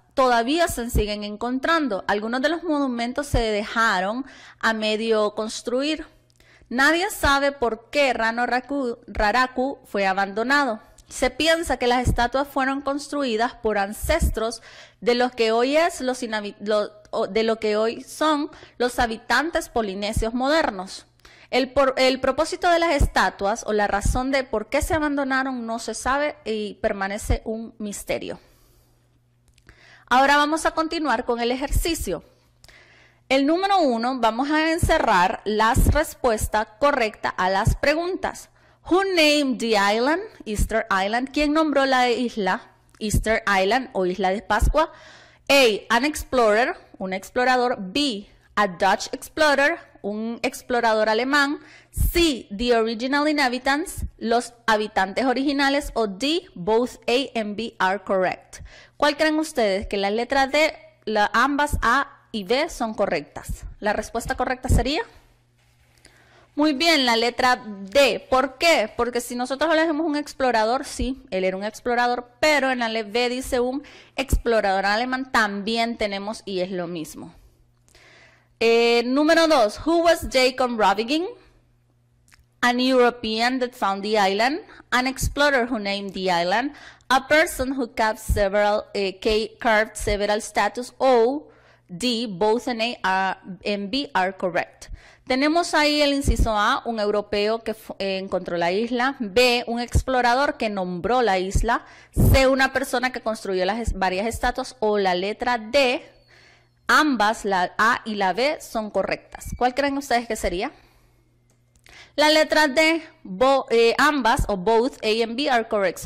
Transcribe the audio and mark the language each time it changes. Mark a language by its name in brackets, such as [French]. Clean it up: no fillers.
[Spanish] todavía se siguen encontrando. Algunos de los monumentos se dejaron a medio construir. Nadie sabe por qué Rano Raraku fue abandonado. Se piensa que las estatuas fueron construidas por ancestros de los que hoy es los de lo que hoy son los habitantes polinesios modernos. El propósito de las estatuas o la razón de por qué se abandonaron no se sabe y permanece un misterio. Ahora vamos a continuar con el ejercicio. El número uno, vamos a encerrar las respuestas correctas a las preguntas. [English] Who named the island, Easter Island? [Spanish] ¿Quién nombró la isla, Easter Island o Isla de Pascua? [English] A, an explorer, [Spanish] un explorador. [English] B, a Dutch explorer, [Spanish] un explorador alemán. [English] C, the original inhabitants, [Spanish] los habitantes originales. [English] O D, both A and B are correct. [Spanish] ¿Cuál creen ustedes que la letra D, la, ambas A y B son correctas? La respuesta correcta sería... Muy bien, la letra D. ¿Por qué? Porque si nosotros elegimos un explorador, sí, él era un explorador, pero en la letra B dice un explorador alemán, también tenemos y es lo mismo. Número dos, [English] who was Jacob Rovigin? An European that found the island, an explorer who named the island, a person who carved several statues, O, D, both and A and B are correct. [Spanish] Tenemos ahí el inciso A, un europeo que encontró la isla. B, un explorador que nombró la isla. C, una persona que construyó las varias estatuas. O la letra D, ambas, la A y la B, son correctas. ¿Cuál creen ustedes que sería? La letra D, ambas, o [English] both, A and B, are correct.